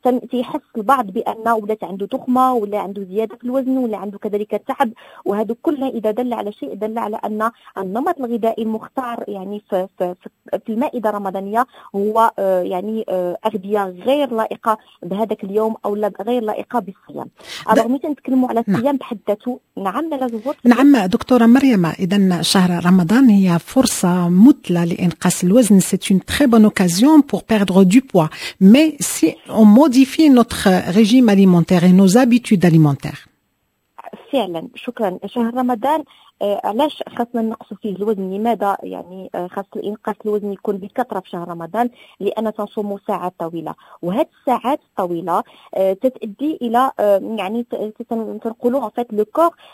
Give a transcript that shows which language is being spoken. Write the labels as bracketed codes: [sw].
[ar] تيحس البعض بأن ولات عنده تخمة ولا عنده زيادة في الوزن ولا عنده كذلك التعب, وهذا كله إذا دل على شيء دل على أن النمط الغذائي المختار يعني في المائدة الرمضانية هو يعني أغذية غير لائقة بهذاك اليوم أو غير لائقة بالصيام. رغم أن نتكلموا على الصيام بحد ذاته, نعم لزهور. نعم دكتورة مريم, إذن شهر رمضان هي فرصة مثلى لإنقاص الوزن, [fr] c'est une très bonne occasion pour perdre du poids, mais si on modifie notre régime alimentaire et nos habitudes alimentaires. [ar] فعلا شكرا. شهر رمضان علاش خاصنا نقص فيه الوزن؟ لماذا يعني خاص الإنقاص الوزن يكون بكثرة في شهر رمضان؟ لأن تنصوموا ساعات طويلة, وهذه الساعات الطويلة تتأدي إلى يعني تنقلوا عفات لكور